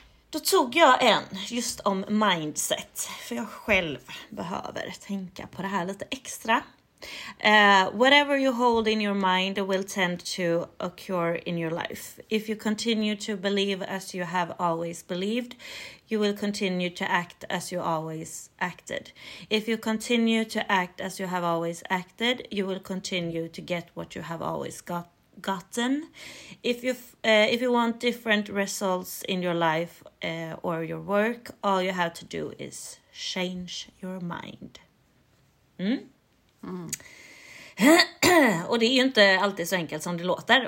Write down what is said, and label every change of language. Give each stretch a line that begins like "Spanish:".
Swedish: Då tog jag en just om mindset. För jag själv behöver tänka på det här lite extra.
English: Whatever you hold in your mind will tend to occur in your life. If you continue to believe as you have always believed, you will continue to act as you always acted. If you continue to act as you have always acted, you will continue to get what you have always gotten. If you want different results in your life or your work, all you have to do is change your mind.
Swedish: Och det är ju inte alltid så enkelt som det låter.